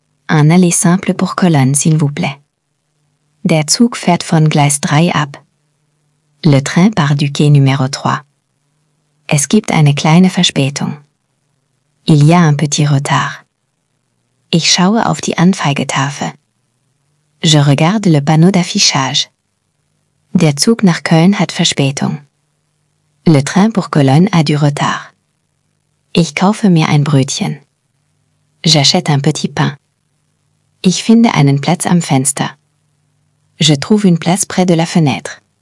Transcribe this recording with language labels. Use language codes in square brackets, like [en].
[fr] Un aller simple pour Cologne, s'il vous plaît. [de] Der Zug fährt von Gleis 3 ab. [fr] Le train part du quai numéro 3. [de] Es gibt eine kleine Verspätung. [fr] Il y a un petit retard. [de] Ich schaue auf die Anzeigetafel. [fr] Je regarde le panneau d'affichage. [de] Der Zug nach Köln hat Verspätung. [fr] Le train pour Cologne a du retard. [de] Ich kaufe mir ein Brötchen. [fr] J'achète un petit pain. [de] Ich finde einen Platz am Fenster. [fr] Je trouve une place près de la fenêtre.